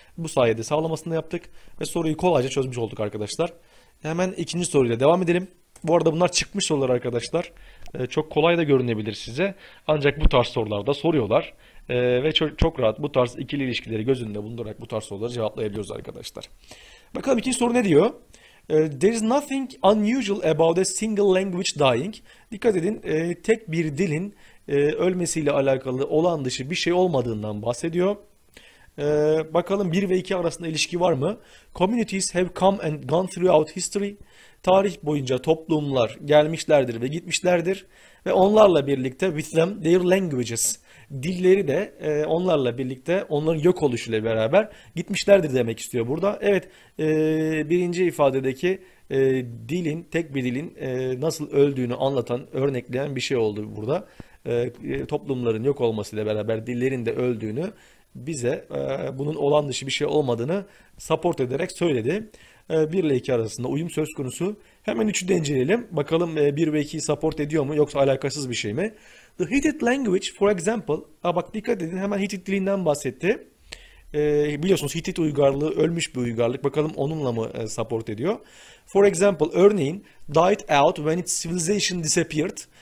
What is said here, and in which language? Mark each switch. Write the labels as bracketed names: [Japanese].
[Turkish] Bu sayede sağlamasını yaptık ve soruyu kolayca çözmüş olduk arkadaşlar. Hemen ikinci soruyla devam edelim. Bu arada bunlar çıkmış sorular arkadaşlar. Çok kolay da görünebilir size. Ancak bu tarz sorular da soruyorlar. Ve çok, çok rahat bu tarz ikili ilişkileri göz önünde bulundurarak bu tarz soruları cevaplayabiliyoruz arkadaşlar. Bakalım ikinci soru ne diyor? [English] There is nothing unusual about a single language dying. [Turkish] Dikkat edin, tek bir dilin ölmesiyle alakalı olağan dışı bir şey olmadığından bahsediyor. Bakalım 1 ve 2 arasında ilişki var mı? [English] Communities have come and gone throughout history. [Turkish] Tarih boyunca toplumlar gelmişlerdir ve gitmişlerdir. Ve onlarla birlikte [English] with them their languages. [Turkish] Dilleri de onlarla birlikte onların yok oluşuyla beraber gitmişlerdir demek istiyor burada. Evet birinci ifadedeki dilin tek bir dilin nasıl öldüğünü anlatan örnekleyen bir şey oldu burada. Toplumların yok olmasıyla beraber dillerin de öldüğünü bize bunun olan dışı bir şey olmadığını support ederek söyledi. 1 ile 2 arasında uyum söz konusu. Hemen 3'ü de inceleyelim. Bakalım 1 ve 2'yi support ediyor mu yoksa alakasız bir şey mi? [English] The Hittite language for example. [Turkish] Ha bak dikkat edin hemen Hittite dilinden bahsetti. Biliyorsunuz Hittite uygarlığı ölmüş bir uygarlık. Bakalım onunla mı support ediyor? [English] For example, [Turkish] örneğin [English] died out when its civilization disappeared.